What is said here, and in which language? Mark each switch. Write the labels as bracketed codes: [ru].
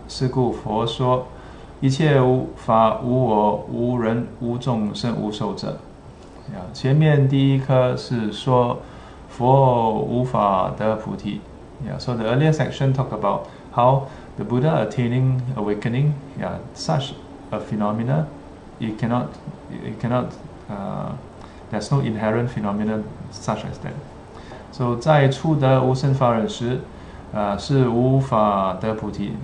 [zh] 是故佛说, 一切无法, 无我, 无人, 无众生, 无寿者. 前面第一颗是说, 佛无法得菩提. [en] So the earlier section talk about how the Buddha attaining awakening, such a phenomena, there's no inherent phenomena such as that. [zh] So, 在初得无生法忍时, 是无法得菩提.